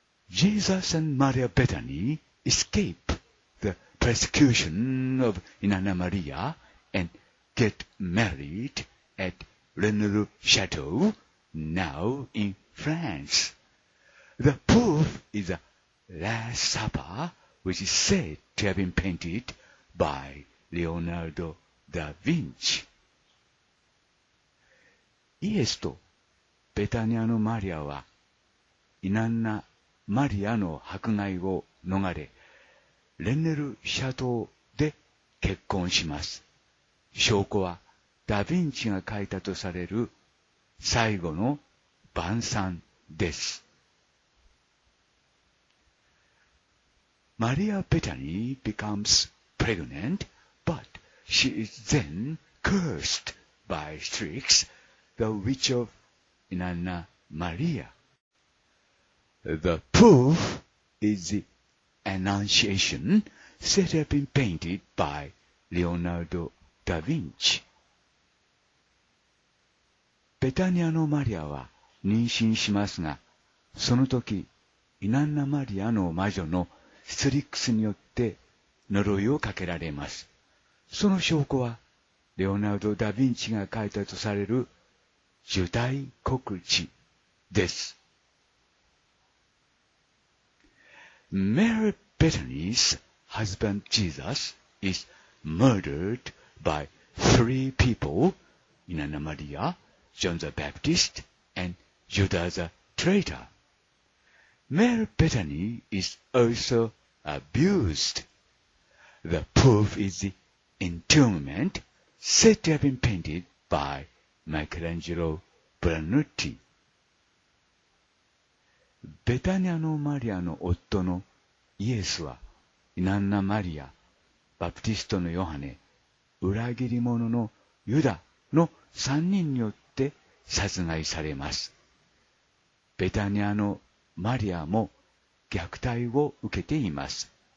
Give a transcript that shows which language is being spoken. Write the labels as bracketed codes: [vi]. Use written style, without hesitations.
[en] Jesus and Maria Bethany escape the persecution of Inanna Maria and get married at Renelu Chateau, now in France. The proof is the Last Supper, which is said to have been paintedby Leonardo da Vinci. [ja] イエスとベタニアのマリアはイナンナ・マリアの迫害を逃れレンネル・シャトーで結婚します。証拠はダ・ヴィンチが書いたとされる最後の晩餐です。 [en] Maria Bethany becomes pregnant, but she is then cursed by Strix, the witch of Inanna Maria. The proof is the Annunciation set up and painted by Leonardo da Vinci. [ja] ベタニアのマリアは妊娠しますが、その時イナンナマリアの魔女のストリックスによって呪いをかけられます。その証拠はレオナルド・ダ・ヴィンチが書いたとされる受胎告知です。 [en] メリー・ベタニーズ・ハズバンド・ジーザス is murdered by three people: イナンナマリア、ジョン・ザ・バプティスト、and Judas the Traitor. Mary Bethany is also abused. The proof is the entombment said to have been painted by Michelangelo Brunotti. [ja] ベタニアのマリアの夫のイエスは、イナンナ・マリア、バプティストのヨハネ、裏切り者のユダの3人によって殺害されます。ベタニアのマリアも虐待を受けています。